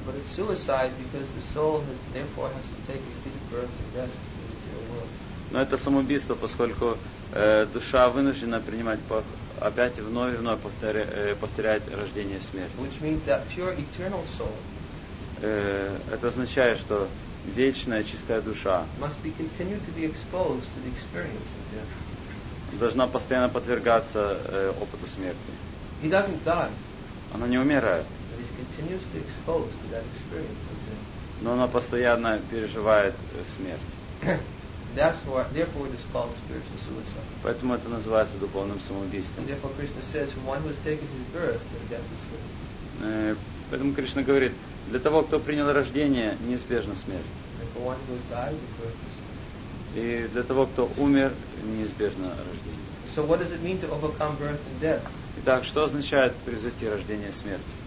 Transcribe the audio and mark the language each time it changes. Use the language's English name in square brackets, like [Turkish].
[English] But it's suicide because the soul has, therefore has to take repeated births and deaths in the material world. [Russian] Но это самоубийство, поскольку душа вынуждена принимать опять вновь и вновь повторять рождение и смерть. [English] Which means that pure eternal soul. [Russian] Это означает, что вечная чистая душа [English] must be continued to be exposed to the experience of death. [Russian] Должна постоянно подвергаться опыту смерти. [English] He doesn't die. [Russian] Она не умирает. [English] But he's continuously exposed to that experience of death. [Russian] Но она постоянно переживает смерть. [English] Therefore, it is called spiritual suicide. [Russian] Поэтому это называется духовным самоубийством. [English] And therefore, Krishna says, for one who has taken his birth, then death is certain. [Russian] Поэтому Кришна говорит, для того, кто принял рождение, неизбежна смерть. [English] And for one who has died, the birth is certain. [Russian] И для того, кто умер, неизбежно рождение. [English] So what does it mean to overcome birth and death? [Russian] Итак, что означает превзойти рождение и смерть?